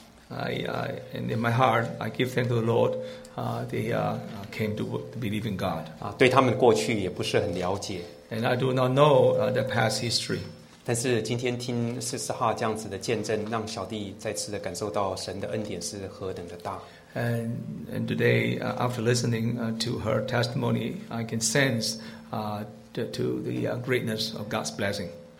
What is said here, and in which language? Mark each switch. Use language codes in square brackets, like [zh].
[en] And in my heart, I give thanks to the Lord. They came to believe in God. [zh] 对他们过去也不是很了解。 [en] And I do not know their past history. [zh] 但是今天听四十号这样子的见证, 让小弟再次的感受到神的恩典是何等的大。 [en] And today, after listening to her testimony, I can sense to the greatness of God's blessing.